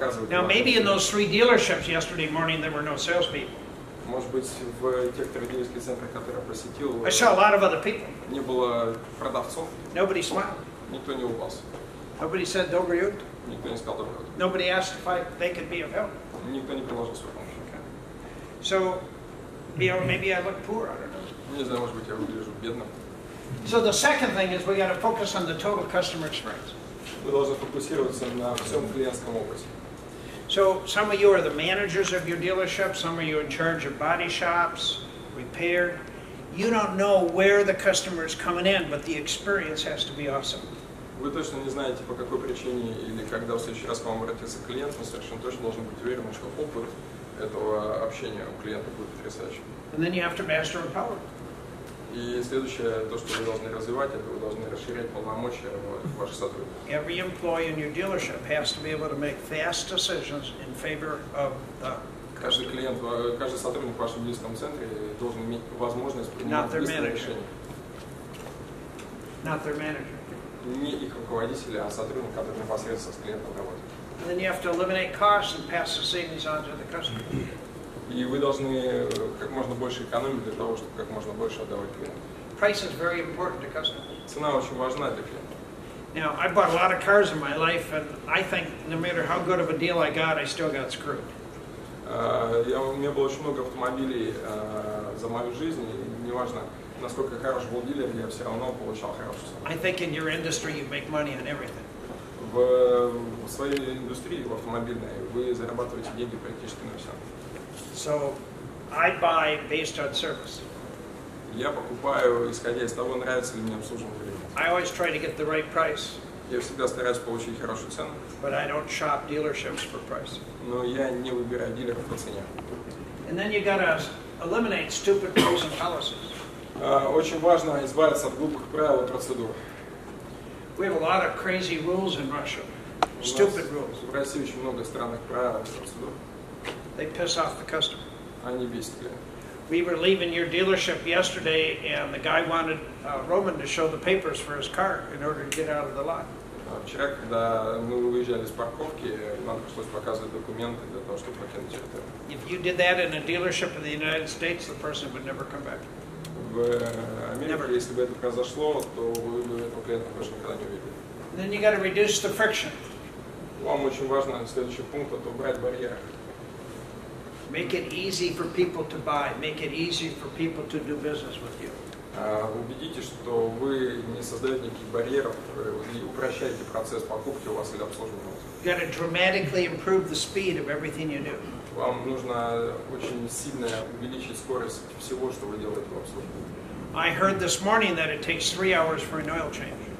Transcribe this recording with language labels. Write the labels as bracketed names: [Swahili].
[English] Now maybe in those three dealerships yesterday morning there were no salespeople. [Russian] Может быть в тех трех дилерских центрах, которые я посетил. [English] I saw a lot of other people. [Russian] Не было продавцов. [English] Nobody smiled. [Russian] Никто не улыбался. [English] Nobody said [Russian] добрый ют. Никто не сказал добрый ют. [English] Nobody asked if they could be of help. [Russian] Никто не предложил свою помощь. [English] Okay. So, you know, maybe I look poor. I don't know. [Russian] Не знаю, может быть я выгляжу бедным. [English] So the second thing is we got to focus on the total customer experience. [Russian] Вы должны фокусироваться на всем клиентском опыте. [English] So some of you are the managers of your dealership, some of you are in charge of body shops, repair. You don't know where the customer is coming in, but the experience has to be awesome. [Russian] Вы точно не знаете, по какой причине или когда в следующий раз к вам обратится клиент, но совершенно точно должен быть уверен, что опыт этого общения у клиента будет потрясающим. [English] And then you have to master and power. [Russian] И следующее, то, что вы должны развивать, это вы должны расширять полномочия ваших сотрудников. [English] Every employee in your dealership has to be able to make fast decisions in favor of the customer. [Russian] Каждый клиент, каждый сотрудник в вашем дилерском центре должен иметь возможность принимать быстрые решения. [English] Not their manager. [Russian] Не их руководителя, а сотрудник, который непосредственно с клиентом работает. [English] And then you have to eliminate costs and pass the savings on to the customer. [Russian] И вы должны как можно больше экономить для того, чтобы как можно больше отдавать клиенту. [English] Price is very important to customers. [Russian] Цена очень важна для клиента. [English] Now, I bought a lot of cars in my life, and I think no matter how good of a deal I got, I still got screwed. [Russian] У меня было очень много автомобилей за мою жизнь, и неважно, насколько хорош был дилер, я все равно получал хорошую сумму. [English] I think in your industry you make money on everything. [Russian] В своей индустрии, в автомобильной, вы зарабатываете деньги практически на все. [English] So, I buy based on service. [Russian] Я покупаю, исходя из того, нравится ли мне обслуживание. [English] I always try to get the right price. [Russian] Я всегда стараюсь получить хорошую цену. [English] But I don't shop dealerships for price. [Russian] Но я не выбираю дилеров по цене. [English] And then you gotta eliminate stupid rules and policies. [Russian] Очень важно избавиться от глупых правил и процедур. [English] We have a lot of crazy rules in Russia. Stupid rules. [Russian] В России очень много странных правил и процедур. [English] They piss off the customer. [Russian] Они бесят клиента. [English] We were leaving your dealership yesterday, and the guy wanted Roman to show the papers for his car in order to get out of the lot. [Russian] Вчера, когда мы выезжали с парковки, нам пришлось показывать документы для того, чтобы покинуть территорию. [English] If you did that in a dealership in the United States, the person would never come back. [Russian] В Америке, если бы это произошло, то вы бы этого клиента больше никогда не увидели. [English] Then you got to reduce the friction. [Russian] Вам очень важно следующий пункт – это убрать барьеры. [English] Make it easy for people to buy. Make it easy for people to do business with you. [Russian] Убедитесь, что вы не создаете никаких барьеров и упрощаете процесс покупки у вас или обслуживания. [English] You got to dramatically improve the speed of everything you do. [Russian] Вам нужно очень сильно увеличить скорость всего, что вы делаете в обслуживании. [English] I heard this morning that it takes 3 hours for an oil change.